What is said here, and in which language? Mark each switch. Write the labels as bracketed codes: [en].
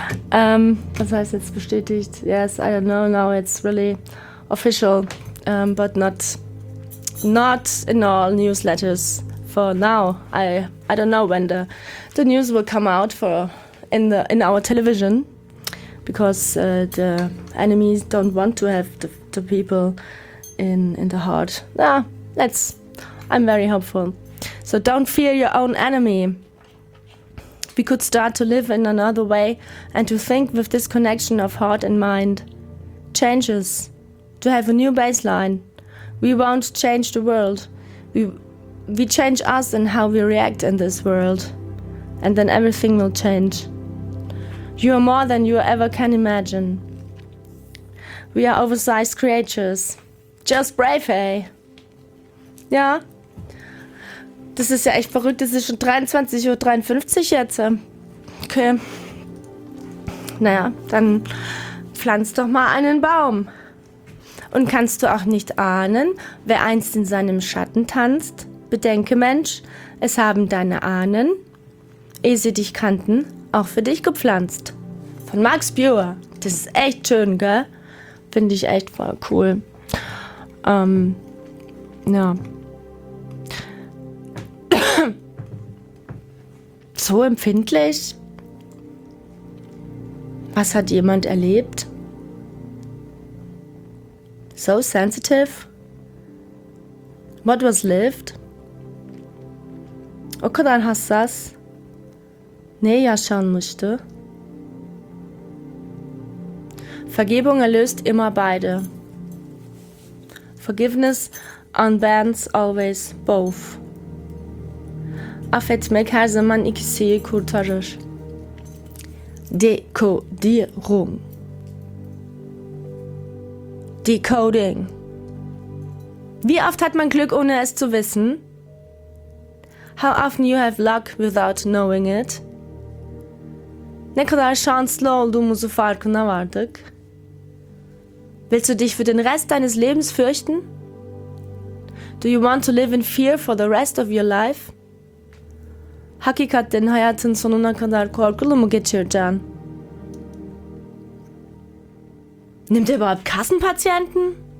[de] Was heißt jetzt bestätigt? [en] Yes, I don't know. Now it's really official, but not in all newsletters for now. I don't know when the news will come out for in our television, because the enemies don't want to have the people in the heart. I'm very hopeful. So don't fear your own enemy. We could start to live in another way and to think with this connection of heart and mind. Changes. To have a new baseline. We won't change the world. We change us and how we react in this world. And then everything will change. You are more than you ever can imagine. We are oversized creatures. Just brave, eh? Ja? [de] Das ist ja echt verrückt. Das ist schon 23.53 Uhr jetzt. Okay. Naja, dann pflanz doch mal einen Baum. Und kannst du auch nicht ahnen, wer einst in seinem Schatten tanzt? Bedenke, Mensch, es haben deine Ahnen, ehe sie dich kannten, auch für dich gepflanzt. Von Max Buehr. Das ist echt schön, gell? Finde ich echt voll cool. Ja. So empfindlich? Was hat jemand erlebt? [en] So sensitive? What was lived? [de] Okay, dann hast du das. Nee, ja, schauen musste. Vergebung erlöst immer beide. [en] Forgiveness unbands always both. [tr] Affet me kaze man ikisi kurtarır. [de] Dekodierung. [en] Decoding. [de] Wie oft hat man Glück, ohne es zu wissen? [en] How often you have luck without knowing it? [tr] Ne kadar şanslı olduğumuzu farkına vardık. [de] Willst du dich für den Rest deines Lebens fürchten? [en] Do you want to live in fear for the rest of your life? [tr] Hakikaten hayatın sonuna kadar korkulu mu geçireceksin? [de] Nimmt er überhaupt Kassenpatienten?